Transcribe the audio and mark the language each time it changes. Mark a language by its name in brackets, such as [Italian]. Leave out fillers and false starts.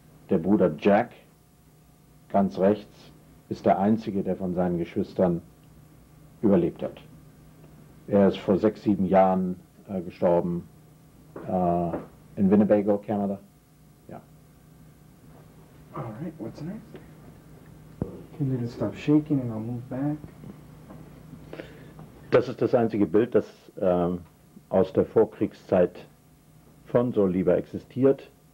[German] Der Bruder Jack, ganz rechts, ist der einzige, der von seinen Geschwistern überlebt hat. Er ist vor 6-7 Jahren gestorben in Winnebago, Kanada. [English] All right, what's next? Can you just stop shaking and I'll move back? [German] Das ist das einzige Bild, das aus der Vorkriegszeit von Saul Lieber existiert.